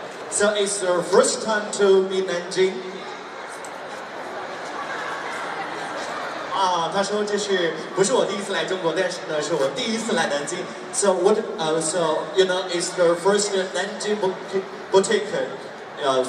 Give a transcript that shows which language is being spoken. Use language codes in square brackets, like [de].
[en] So it's your first time to be in Nanjing? [zh] 啊，他说这是不是我第一次来中国，但是呢，是我第一次来南京。 [en] So what? So you know, it's your first Nanjing boutique.